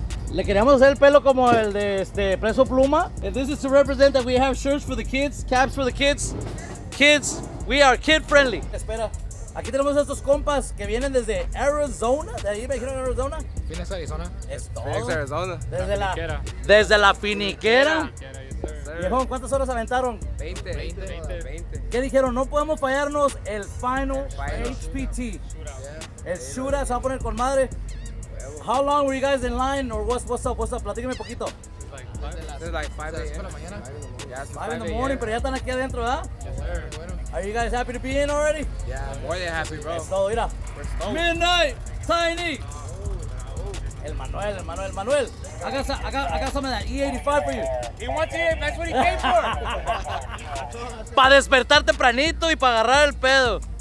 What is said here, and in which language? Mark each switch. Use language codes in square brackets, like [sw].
[es] Le queríamos hacer el pelo como el de Preso Pluma. [en] And this is to represent that we have shirts for the kids, caps for the kids. Kids, we are kid friendly. [es] Espera, aquí tenemos estos compas que vienen desde Arizona. De ahí me dijeron Arizona. Phoenix, Arizona. Es todo. Phoenix, Arizona. Desde la finiquera. Viejón, ¿cuántas horas aventaron? 20. ¿Qué dijeron? No podemos fallarnos el final HPT. El shootout se va a poner con madre. [en] How long were you guys in line? Or what's up? [es] Platíqueme un poquito. [en] It's like 5 in the morning, [es] pero ya están aquí adentro, ¿verdad? [en] Yes, sir. Are you guys happy to be in already? Yeah, more than happy, bro. So, mira. Midnight, Tiny. El Manuel. I got some of that E85 for you. He wants it, that's what he came for. [es] Para despertar tempranito y para agarrar el pedo.